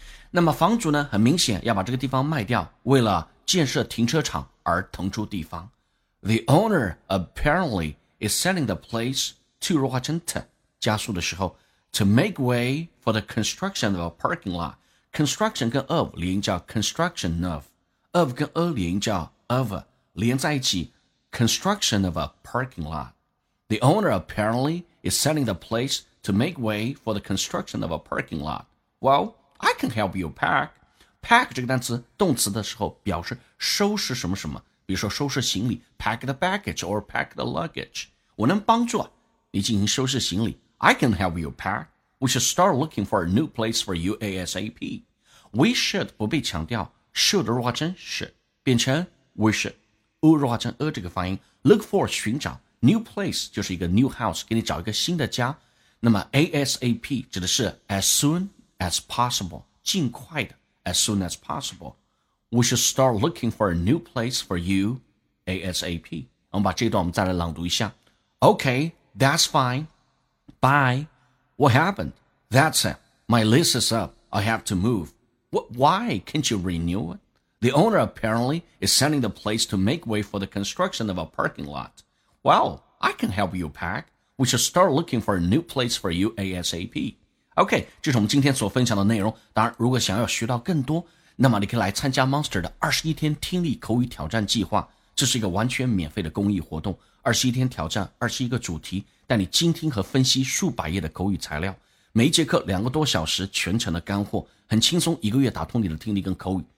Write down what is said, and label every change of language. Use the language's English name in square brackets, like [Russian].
[Chinese] 那么房主呢，很明显要把这个地方卖掉，为了建设停车场而腾出地方。 [English] The owner apparently is selling the place to [Chinese] 弱化成 t 加速的时候 [English] to make way for the construction of a parking lot。 [Chinese] construction 跟 of 连叫 construction of， of 跟 a 连叫 of， 连在一起 [English] construction of a parking lot。 The owner apparently is selling the place to make way for the construction of a parking lot。 Well,I can help you pack. Pack [Chinese] 这个单词动词的时候表示收拾什么什么，比如说收拾行李 [English] pack the baggage or pack the luggage. [Chinese] 我能帮助你进行收拾行李。 [English] I can help you pack. We should start looking for a new place for you ASAP. We should [Chinese] 不被强调， should 弱化成 should 变成 we should， 弱化成 a 这个发音。 Look for 寻找， new place 就是一个 new house， 给你找一个新的家。那么 ASAP 指的是 as soonAs possible， 尽快的 ， [English] as soon as possible。 We should start looking for a new place for you ASAP。 [Chinese] 我们把这段我们再来朗读一下。 [English] Okay, that's fine. Bye. What happened? That's it. My lease is up. I have to move. Why can't you renew it? The owner apparently is selling the place to make way for the construction of a parking lot. Well, I can help you pack. We should start looking for a new place for you ASAP. [Chinese] OK, 这是我们今天所分享的内容。当然如果想要学到更多，那么你可以来参加 Monster 的21天听力口语挑战计划。这是一个完全免费的公益活动。 21天挑战21个主题，带你精听和分析数百页的口语材料，每一节课2个多小时，全程的干货，很轻松，一个月打通你的听力跟口语。